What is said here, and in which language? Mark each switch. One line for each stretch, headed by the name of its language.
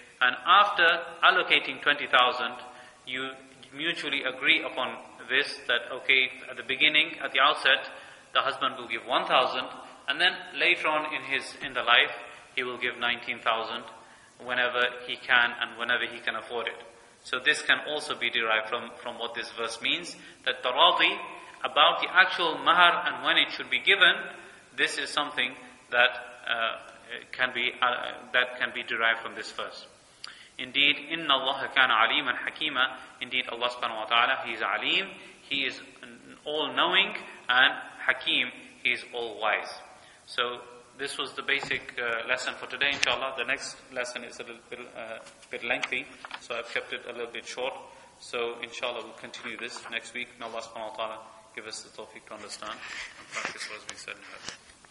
English: And after allocating 20,000, you mutually agree upon this, that okay, at the beginning, at the outset, the husband will give 1,000, and then later on in the life, he will give 19,000 whenever he can and whenever he can afford it. So this can also be derived from what this verse means, that taradi about the actual mahar and when it should be given, this is something that can be derived from this verse.
Arabic: Indeed, إِنَّ اللَّهَ كَانَ عَلِيمًا حَكِيمًا.
English: Indeed, Allah subhanahu wa ta'ala, He is alim, He is all-knowing, and hakim, He is all-wise. So this was the basic lesson for today, inshallah. The next lesson is a little bit lengthy, so I've kept it a little bit short. So inshallah, we'll continue this next week. May Allah subhanahu wa ta'ala give us the tawfiq to understand and practice what has been said in heaven.